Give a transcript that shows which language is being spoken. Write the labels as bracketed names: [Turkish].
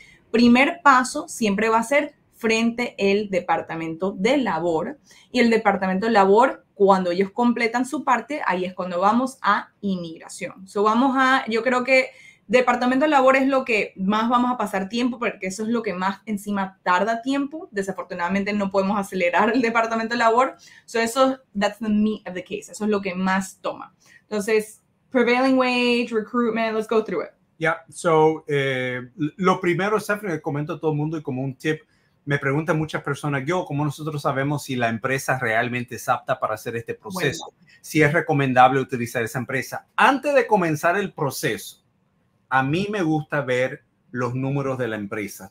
[Spanish] Primer paso siempre va a ser frente al Departamento de Labor. Y el Departamento de Labor, cuando ellos completan su parte, ahí es cuando vamos a inmigración. So, vamos a, yo creo que Departamento de Labor es lo que más vamos a pasar tiempo, porque eso es lo que más encima tarda tiempo. Desafortunadamente no podemos acelerar el Departamento de Labor. [English] So eso, that's the meat of the case. [Spanish] Eso es lo que más toma. Entonces, [English] prevailing wage, recruitment, let's go through it. [Spanish] Yeah, so lo primero, Stephanie, que comento a todo el mundo y como un tip, me preguntan muchas personas, yo, ¿cómo nosotros sabemos si la empresa realmente es apta para hacer este proceso? Bueno, si es recomendable utilizar esa empresa. Antes de comenzar el proceso, a mí me gusta ver los números de la empresa.